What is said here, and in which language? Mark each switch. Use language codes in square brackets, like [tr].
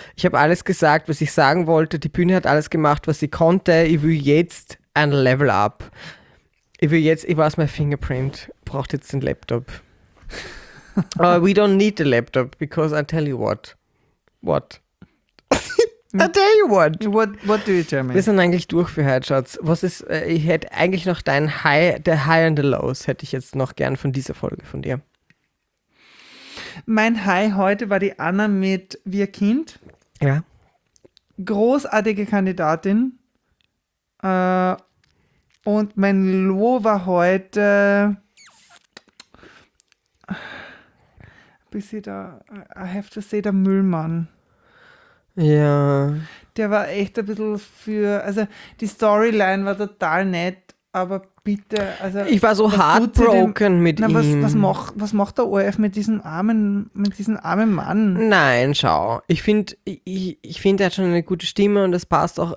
[de] Ich habe alles gesagt, was ich sagen wollte, die Bühne hat alles gemacht, was sie konnte, ich will jetzt ein Level up. Ich weiß, mein Fingerprint braucht jetzt den Laptop. [en] But we don't need the laptop, because I tell you what. What? I tell you what. What do you tell me? [de] Wir sind eigentlich durch für heute, Schatz. Was ist, ich hätte eigentlich noch dein High, [en] the High and the Lows, [de] hätte ich jetzt noch gern von dieser Folge von dir. Mein High heute war die Anna mit Wir Kind. Ja. Großartige Kandidatin. Und mein Low war heute... [en] I have to say, [de] der Müllmann. Ja. Der war echt ein bisschen für, also die Storyline war total nett, aber bitte, also. Ich war so heartbroken mit ihm. Was macht der ORF mit diesem armen Mann? Nein, schau. Ich finde, er hat schon eine gute Stimme und das passt auch.